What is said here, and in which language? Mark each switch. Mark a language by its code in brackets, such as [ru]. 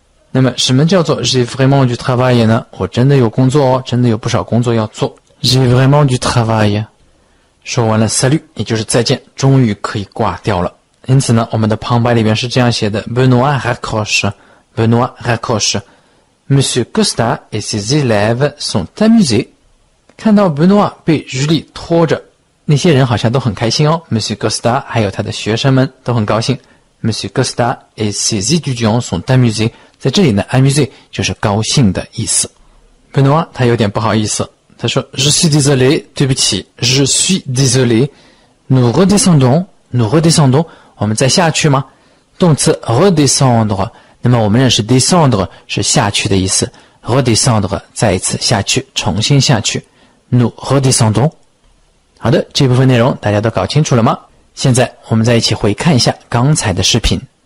[zh] 那么什么叫做 [fr] j'ai vraiment du travail [zh] 呢？我真的有工作哦，真的有不少工作要做。 [fr] J'ai vraiment du travail. [zh] 说完了 salut， 也就是再见，终于可以挂掉了。因此呢我们的旁白里面是这样写的， [fr] Benoît raccroche， Benoît raccroche， Monsieur Costa et ses élèves sont amusés. [zh] 看到 Benoît 被 Julie 拖着，那些人好像都很开心哦， Monsieur Costa 还有他的学生们都很高兴。 [fr] Monsieur Costa et ses étudiants sont amusés， [zh] 在这里呢 [fr] amusé [zh] 就是高兴的意思。 Benoît 他有点不好意思，他说 [fr] Je suis désolé， [zh] 对不起， [fr] Je suis désolé， Nous redescendons， Nous redescendons， [zh] 我们再下去吗？动词 redescendre， 那么我们认识 descendre 是下去的意思， redescendre 再一次下去，重新下去， [fr] Nous redescendons。 [zh] 好的，这部分内容大家都搞清楚了吗？现在我们再一起回看一下刚才的视频。